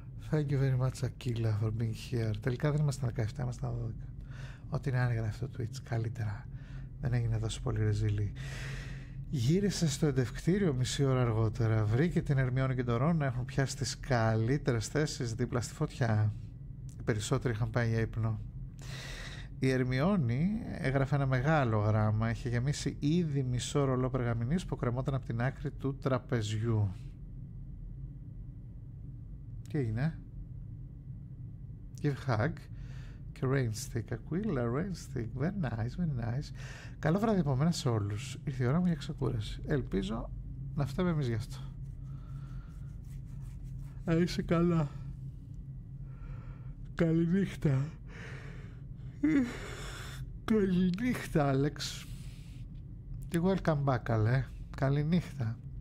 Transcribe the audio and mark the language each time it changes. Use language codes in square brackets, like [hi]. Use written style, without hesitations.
[en] Thank you very much, Akila, for being here. [el] Τελικά δεν ήμασταν 17, ήμασταν 12. Ό,τι είναι, άνοιγε αυτό το Twitch. Καλύτερα. Δεν έγινε τόσο πολύ ρεζίλη. Γύρισε στο εντευκτήριο μισή ώρα αργότερα. Βρήκε την Ερμιόνη και τον Ρόν να έχουν πιάσει τις καλύτερες θέσεις δίπλα στη φωτιά. Οι περισσότεροι είχαν πάει για ύπνο. Η Ερμιόνη έγραφε ένα μεγάλο γράμμα. Είχε γεμίσει ήδη μισό ρολό περγαμηνής που κρεμόταν από την άκρη του τραπεζιού. Τι έγινε? [en] Give hug και rain stick. Aquila, rain stick. Very nice, very nice. [el] Καλό βράδυ από μένα σε όλους. Ήρθε η ώρα μου για ξεκούραση. Ελπίζω να φταίμε εμείς γι' αυτό. Α, είσαι καλά. Καληνύχτα. Καληνύχτα, Άλεξ. Και [en] welcome back, [el] Αλέ. Καληνύχτα.